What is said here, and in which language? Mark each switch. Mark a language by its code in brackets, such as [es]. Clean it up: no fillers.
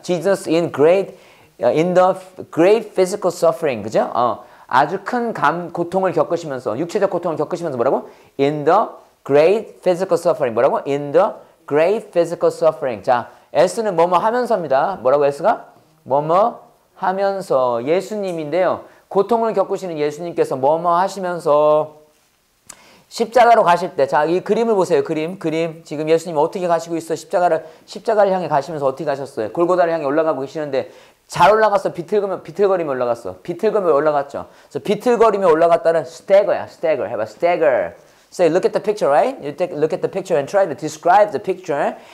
[en] Jesus in great, in the great physical suffering, [ko] 그죠? 아주 큰 고통을 겪으시면서 육체적 고통을 겪으시면서 뭐라고? [en] In the great physical suffering, [ko] 뭐라고? [en] In the great physical suffering. [ko] 자, S는 뭐뭐 하면서입니다. 뭐라고 S가? 뭐뭐 하면서 예수님인데요. 고통을 겪으시는 예수님께서 뭐뭐 하시면서 십자가로 가실 때 자, 이 그림을 보세요. 그림. 지금 예수님 어떻게 가시고 있어? 십자가를 향해 가시면서 어떻게 가셨어요? 골고다를 향해 올라가고 계시는데 잘 올라가서 비틀거리며 올라갔어. 비틀거리며 올라갔죠. 그래서 비틀거리며 올라갔다는 스태거야. 스태거. 해 봐. 스태거. [en] Say look at the picture, right? You take look at the picture and try to describe the picture.